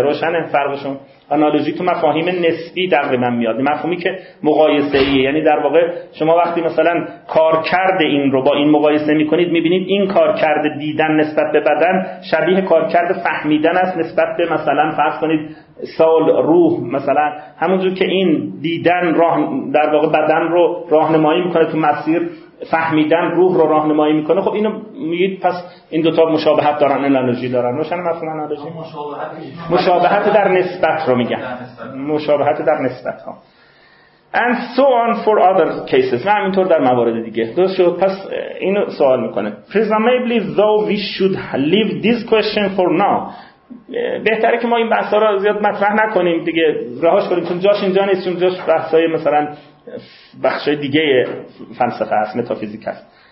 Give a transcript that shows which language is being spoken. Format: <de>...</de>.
<fa>روشن فرقشون؟ آنالوژی تو مفاهیم نسبی تقریبا میاد، مفهومی که مقایسه ایه، یعنی در واقع شما وقتی مثلا کار کرده این رو با این مقایسه میکنید، میبینید این کار کرده دیدن نسبت به بدن شبیه کار کرده فهمیدن است نسبت به مثلا فرض کنید سال روح، مثلا همونجور که این دیدن راه در واقع بدن رو راهنمایی میکنه تو مسیر، فهمیدن روح رو راهنمایی میکنه. خب اینو میگید پس این دوتا مشابهت دارن، آنالوژی دارن. روشن مثلا آنالوژی مشابهت در نسبت رو میگن، مشابهت در نسبت ها.</fa> <en>And so on for other cases،</en> <fa>نه همینطور در موارد دیگه. درست شد؟ پس اینو سوال میکنه.</fa> <en>Presumably though we should leave this question for now،</en> <fa>بهتره که ما این بحثا رو زیاد مطرح نکنیم دیگه، رهاش کنیم، چون جاش اینجا نیست، چون جاش بحثای مثلا بخشای دیگه فلسفه است، متافیزیک است.</fa>